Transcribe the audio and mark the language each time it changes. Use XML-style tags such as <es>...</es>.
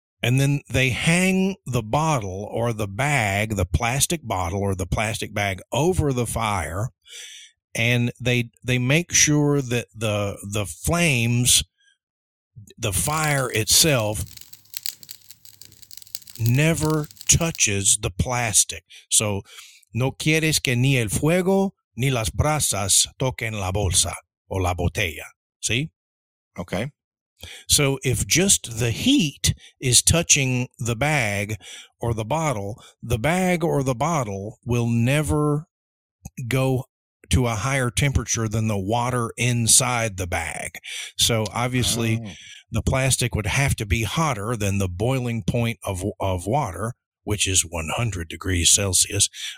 <en>And then they hang the bottle or the bag, the plastic bottle or the plastic bag, over the fire. And they make sure that the flames, the fire itself, never touches the plastic.</en> <es>So, no quieres que ni el fuego ni las brasas toquen la bolsa o la botella.</es> <en>See? Okay. So, if just the heat is touching the bag or the bottle, the bag or the bottle will never go to a higher temperature than the water inside the bag. So obviously the plastic would have to be hotter than the boiling point of water, which is 100 degrees Celsius,</en>